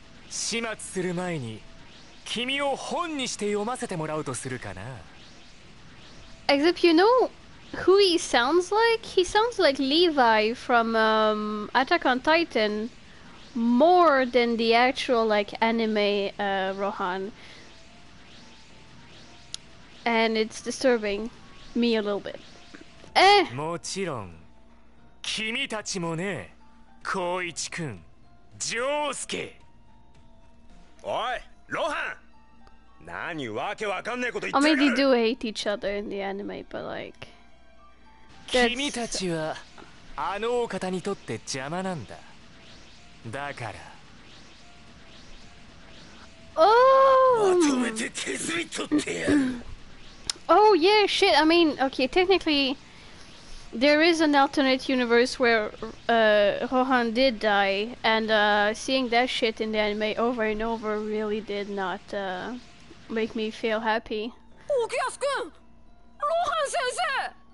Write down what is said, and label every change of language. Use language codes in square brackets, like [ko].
[ja] 始末する前に君を本にして読ませてもらうとするかな。 [en] Except you know who he sounds like? He sounds like Levi from Attack on Titan more than the actual like anime Rohan. And it's disturbing me a little bit. [ja] もちろん君たちもね、光一君、ジョウスケ。おい、ロハン。何わけわかんないこと言ってる。 [en] I mean, they do hate each other in the anime, but like, that's... [ja] 君たちはあのお方にとって邪魔なんだ。だから。 [en] Oh. [ja] まとめて削り取ってや [en] る。Oh yeah, shit. I mean, okay, technically, there is an alternate universe where Rohan did die, and seeing that shit in the anime over and over really did not. Make me feel happy. [ja] Okuyasu-kun! Rohan-sensei!